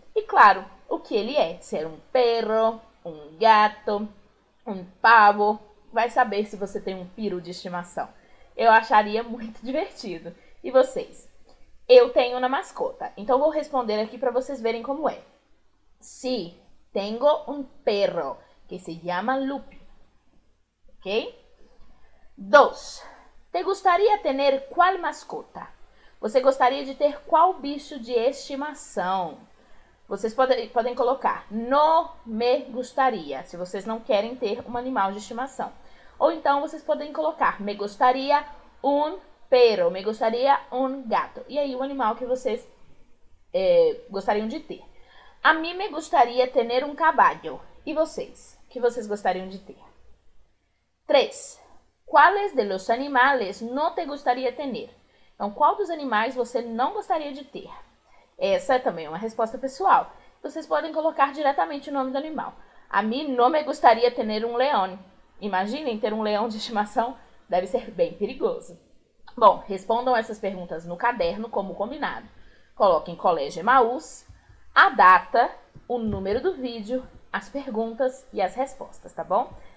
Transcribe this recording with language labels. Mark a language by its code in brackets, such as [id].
[pt] E claro, o que ele é. Se é um perro, um gato, um pavo. Vai saber se você tem um peru de estimação. Eu acharia muito divertido. E vocês? Eu tenho uma mascota. Então vou responder aqui para vocês verem como é. [es] Si, tengo un perro que se llama Lupi. Ok? [pt] Dois. [es] Te gustaría tener cuál mascota? [pt] Você gostaria de ter qual bicho de estimação? Vocês podem colocar [es] no me gustaría, [pt] se vocês não querem ter um animal de estimação. Ou então vocês podem colocar [es] me gustaría un perro, me gustaría un gato. [pt] E aí o animal que vocês gostariam de ter. [es] A mí me gustaría tener un caballo. [pt] E vocês? O que vocês gostariam de ter? Três. [es] ¿Cuáles de los animales no te gustaría tener? [pt] Então, qual dos animais você não gostaria de ter? Essa é também uma resposta pessoal. Vocês podem colocar diretamente o nome do animal. A mim, não me gostaria de ter um leão. Imaginem, ter um leão de estimação deve ser bem perigoso. Bom, respondam essas perguntas no caderno, como combinado. Coloquem Colégio Emaús, a data, o número do vídeo, as perguntas e as respostas, tá bom?